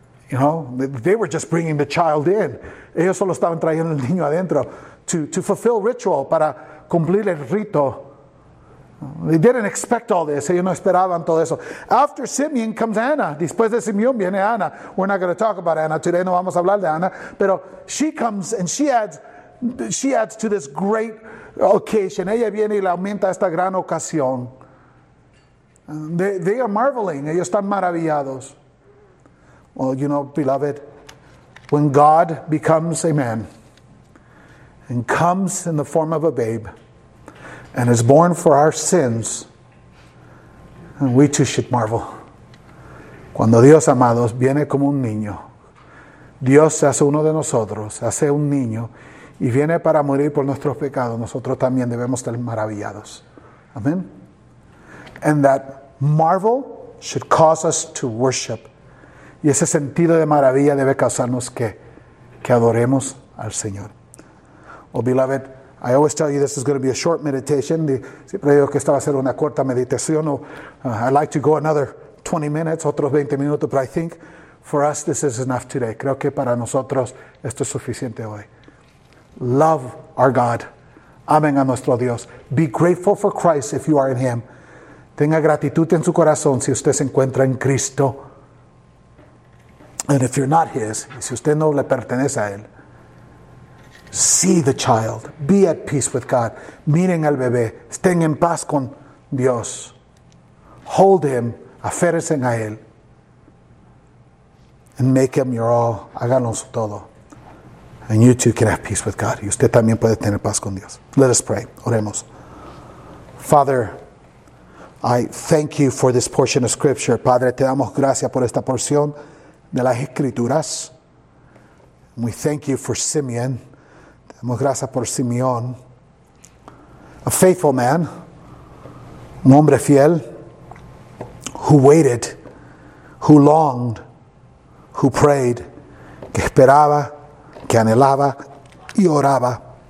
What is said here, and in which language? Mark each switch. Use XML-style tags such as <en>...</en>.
<en>You know, they were just bringing the child in.</en> <es>Ellos solo estaban trayendo el niño adentro</es> <en>to fulfill ritual,</en> <es>para cumplir el rito</es> <en>They didn't expect all this.</en> <es>Ellos no esperaban todo eso.</es> <en>After Simeon comes Anna.</en> <es>Después de Simeón viene Anna.</es> <en>We're not going to talk about Anna today.</en> <es>No vamos a hablar de Anna.</es> <en>Pero she comes and she adds to this great occasion.</en> <es>Ella viene y le aumenta esta gran ocasión.</es> <en>They are marveling.</en> <es>Ellos están maravillados.</es> <en>Well, you know, beloved, when God becomes a man and comes in the form of a babe and is born for our sins, and we too should marvel.</en> <es>Cuando Dios, amados, viene como un niño, Dios se hace uno de nosotros, se hace un niño, y viene para morir por nuestros pecados, nosotros también debemos estar maravillados.</es> <en>Amen? And that marvel should cause us to worship.</en> <es>Y ese sentido de maravilla debe causarnos que adoremos al Señor.</es> <en>Oh, beloved, I always tell you this is going to be a short meditation.</en> <es>Siempre digo que esta va a ser una corta meditación.</es> <en>I'd like to go another 20 minutes,</en> <es>otros 20 minutos,</es> <en>but I think for us this is enough today.</en> <es>Creo que para nosotros esto es suficiente hoy.</es> <en>Love our God.</en> <es>Amen a nuestro Dios.</es> <en>Be grateful for Christ if you are in Him.</en> <es>Tenga gratitud en su corazón si usted se encuentra en Cristo.</es> <en>And if you're not His,</en> <es>si usted no le pertenece a Él,</es> <en>see the child, be at peace with God.</en> <es>Miren al bebé, estén en paz con Dios.</es> <en>Hold him,</en> <es>aférrense a él.</es> <en>And make him your all,</en> <es>háganlo su todo.</es> <en>And you too can have peace with God.</en> <es>Y usted también puede tener paz con Dios.</es> <en>Let us pray,</en> <es>oremos.</es> <en>Father, I thank you for this portion of scripture.</en> <es>Padre, te damos gracias por esta porción de las escrituras.</es> <en>We thank you for Simeon.</en> <es>Damos gracias por Simeón,</es> <en>a faithful man,</en> <es>un hombre fiel,</es> <en>who waited, who longed, who prayed,</en> <es>que esperaba, que anhelaba y oraba.</es>